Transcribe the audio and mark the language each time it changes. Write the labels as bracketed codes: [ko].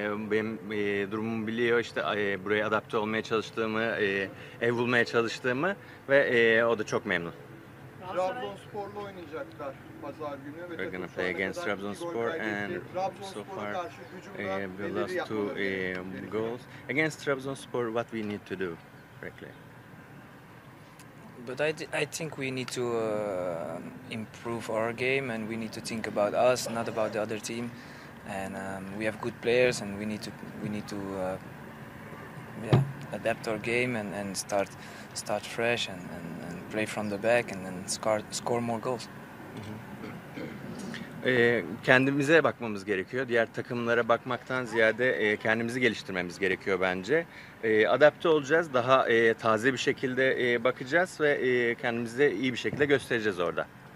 [tr] Benim durumumu biliyor, işte buraya adapte olmaya çalıştığımı, ev bulmaya çalıştığımı ve o da çok memnun. Trabzonspor'la oynayacaklar. [en] We're going to play against Trabzonspor and so far we lost two goals. Against Trabzonspor, what we need to do, frankly? But I think we need to improve our game and we need to think about us, not about the other team. And we have good players and we need to adapt our game and start fresh and play from the back and then score more goals. [tr] Kendimize bakmamız gerekiyor. Diğer takımlara bakmaktan ziyade kendimizi geliştirmemiz gerekiyor bence. Adapte olacağız. Daha taze bir şekilde bakacağız ve kendimizi iyi bir şekilde göstereceğiz orada.